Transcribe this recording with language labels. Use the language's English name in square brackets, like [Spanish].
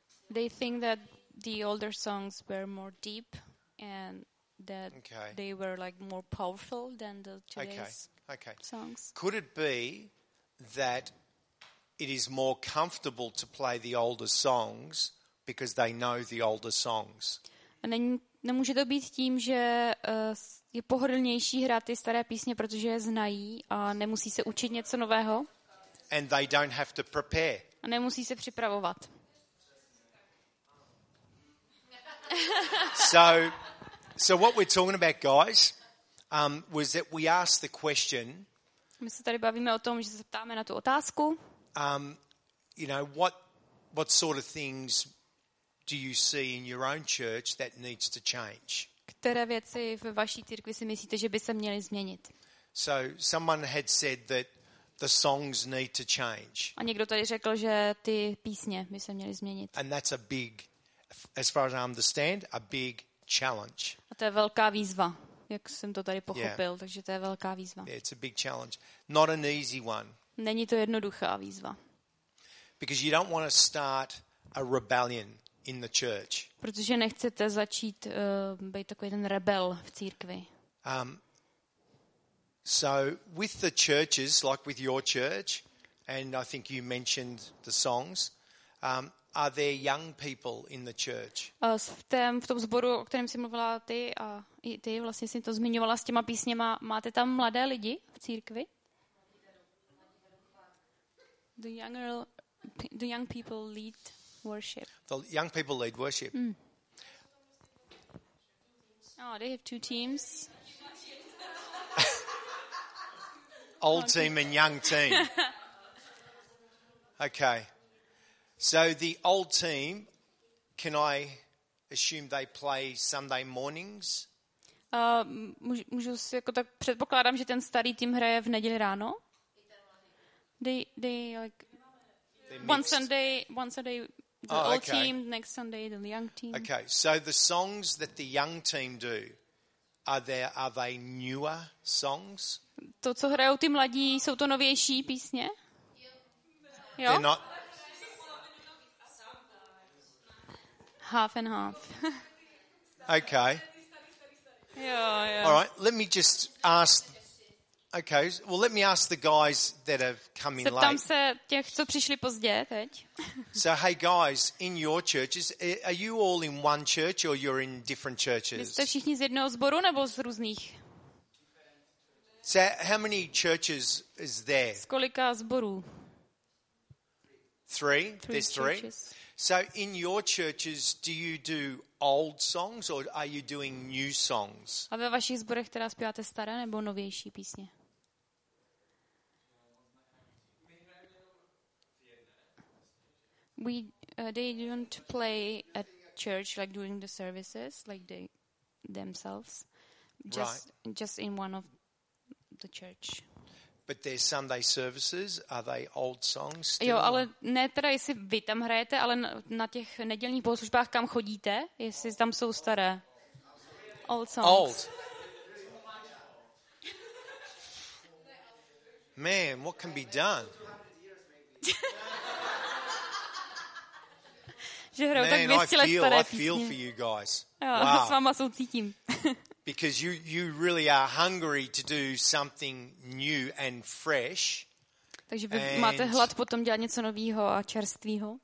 [English] They think that the older songs were more deep and that they were like more powerful than the today's songs. Could it be that it is more comfortable to play the older songs because they know the older songs? [Czech] A nemůže to být tím, že je pohodlnější hrát ty staré písně, protože je znají a nemusí se učit něco nového? [English] And they don't have to prepare. [Czech] A nemusí se připravovat. [English] So what we're talking about, guys, was that we asked the question. [Czech] My se tady bavíme o tom, že se ptáme na tu otázku. [English] What sort of things do you see in your own church that needs to change? [Czech] Které věci ve vaší církvi si myslíte, že by se měly změnit? [English] So someone had said that the songs need to change. [Czech] A někdo tady řekl, že ty písně by se měly změnit. [English] And that's a big, as far as I understand, a big challenge. [Czech] A to je velká výzva, jak jsem to tady pochopil, takže to je velká výzva. [English] Yeah, it's a big challenge. Not an easy one. [Czech] Není to jednoduchá výzva. [English] Because you don't want to start a rebellion in the church. [Czech] Protože nechcete začít být takový ten rebel v církvi. [English] So with the churches, like with your church, and I think you mentioned the songs, are there young people in the church? [Czech] V tom sboru, o kterém jsi mluvila ty a i ty vlastně jsi to zmiňovala s těma písněma, máte tam mladé lidi v církvi? [English] Do young people lead worship? The young people lead worship. Mm. Oh, they have two teams. Old team and young team. Okay. So the old team, can I assume they play Sunday mornings? [Czech] Můžu si jako tak předpokládám, že ten starý tým hraje v neděli ráno? [English] They like one Sunday the old team, next Sunday the young team. Okay. So the songs that the young team do, are they newer songs? [Czech] To, co hrajou ty mladí, jsou to novější písně? [English] Jo. They're not. Half and half. Okay. Yeah. All right. Let me just ask Okay, well, let me ask the guys that have come in late. [Czech] Zeptám se těch, co přišli pozdě teď. [English] So, hey guys, in your churches, are you all in one church or you're in different churches? [Czech] Vy jste všichni z jednoho sboru nebo z různých? [English] So, how many churches is there? [Czech] Z kolika sborů? [English] Three. There's three. So, in your churches, do you do old songs or are you doing new songs? [Czech] A ve vašich sborech teda zpíváte staré nebo novější písně? [English] We they don't play at church like during the services like they themselves just in one of the church. But their Sunday services are they old songs? Still? [Czech] Jo, ale ne teda, jestli vy tam hrajete, ale na těch nedělních bohoslužbách kam chodíte, jestli tam jsou staré [English] old songs. Old. Man, what can be done? [Czech] Že hrajou tak 200 let staré písně. [English] I feel for you guys. [Czech] Jo, wow. S váma soucítím. [English] Because you really are hungry to do something new and fresh. [Czech] Takže vy máte hlad potom dělat něco novýho a čerstvýho.